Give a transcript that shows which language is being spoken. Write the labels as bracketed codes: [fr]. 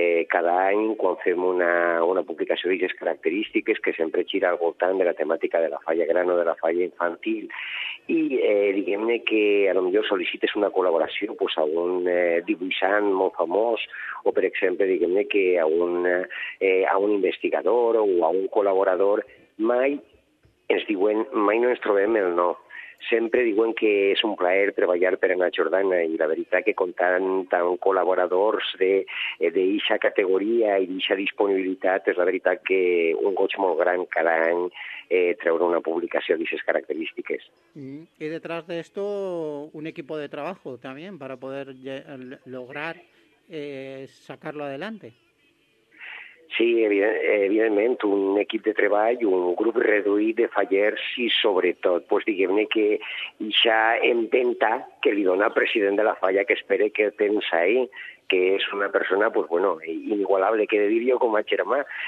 [ca] cada any quan fem una publicació d'aquestes característiques que sempre gira al voltant de la temàtica de la falla gran o de la falla infantil i diguem-ne que a lo millor sol·licites una col·laboració pues, a un dibuixant molt famós o, per exemple, diguem-ne que a un investigador o a un col·laborador mai ens diuen, mai no ens trobem el no. Sempre diuen que és un plaer treballar per a Natxordana i la veritat que con tant col·laboradors d'eixa categoria i d'eixa disponibilitat és la veritat que un goig molt gran cada any treure una publicació d'eixes característiques. [es] I detrás de esto un equipo de trabajo también para poder lograr sacarlo adelante. [ca] Sí, evidentment, un equip de treball, un grup reduït de fallers i sobretot, pues diguem-ne que ja empenta que li dona al president de la falla que espere que el tens ahí, que és una persona, pues bueno, inigualable, que he de dir jo com a germà,